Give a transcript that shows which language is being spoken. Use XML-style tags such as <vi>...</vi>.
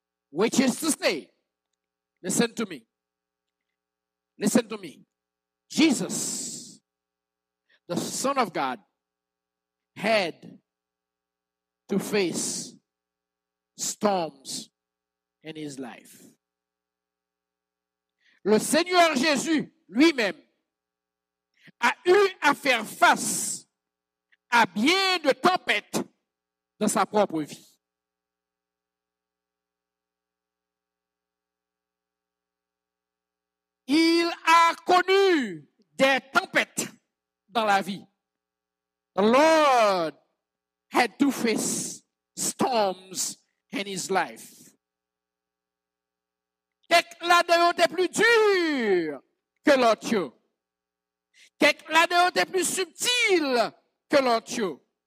<en>Which is to say, listen to me, Jesus, the Son of God, had to face storms in his life.</en> <fr>Le Seigneur Jésus lui-même a eu à faire face à bien de tempêtes dans sa propre vie. Il a connu des tempêtes dans la vie.</fr> <en>The Lord had to face storms in his life.</en> <fr>Quelques-là étaient plus durs que l'autre. Quelques-là étaient plus subtils que l'autre.</fr>